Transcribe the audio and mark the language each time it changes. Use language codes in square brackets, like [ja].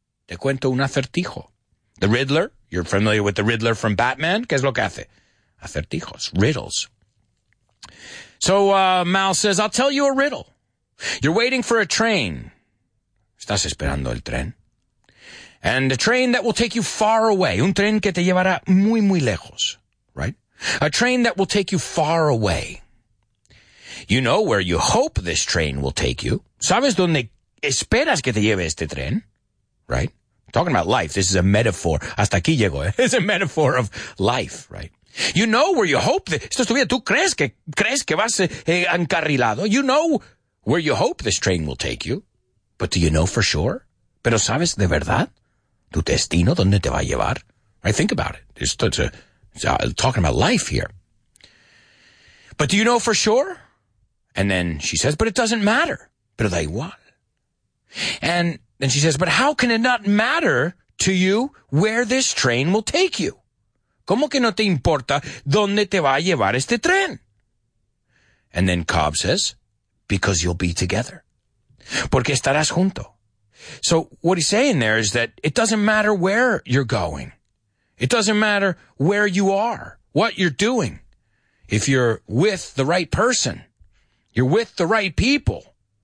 [es] Te cuento un acertijo. The Riddler. [en] You're familiar with the Riddler from Batman? [es] ¿Qué es lo que hace? Acertijos, riddles. [en] So Mal says, I'll tell you a riddle. You're waiting for a train. [es] Estás esperando el tren. [en] And a train that will take you far away. [es] Un tren que te llevará muy, muy lejos. [en] Right? A train that will take you far away. You know where you hope this train will take you. [es] ¿Sabes dónde esperas que te lleve este tren? [en] Right? Talking about life, this is a metaphor. [es] Hasta aquí llego, ¿eh? [en] It's a metaphor of life, right? You know where you hope the... [es] Esto es tu vida. ¿Tú crees que vas encarrilado? [en] You know where you hope this train will take you. But do you know for sure? [es] ¿Pero sabes de verdad tu destino, dónde te va a llevar? [en] Right, think about it. Talking about life here. But do you know for sure? And then she says, but it doesn't matter. [es] Pero da igual. [en] And... Then she says, but how can it not matter to you where this train will take you? [es] ¿Cómo que no te importa dónde te va a llevar este tren? [en] And then Cobb says, because you'll be together. [es] Porque estarás junto. [en] So what he's saying there is that it doesn't matter where you're going. It doesn't matter where you are, what you're doing. If you're with the right person, you're with the right people.